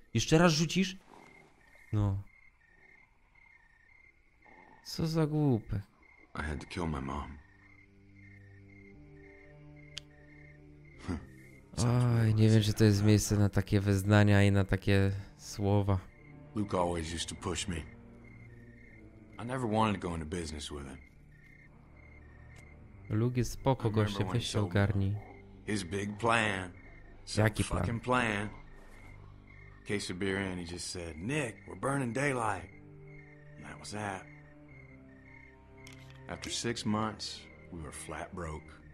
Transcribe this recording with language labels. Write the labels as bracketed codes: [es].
[pl] Jeszcze raz rzucisz? No. Co za głupę. [en] I had to kill my mom. [pl] Oj, nie wiem, czy to jest miejsce na takie wyznania i na takie słowa. [en] Luke always used to push me. I never wanted to go into business with him. [pl] Luke jest spoko, goście, weź się ogarnij. [en] His big plan. [pl] Jaki plan? [en] Fucking plan. In case of beer in, he just said, Nick, we're burning daylight. And that was that. After 6 months, we were flat broke.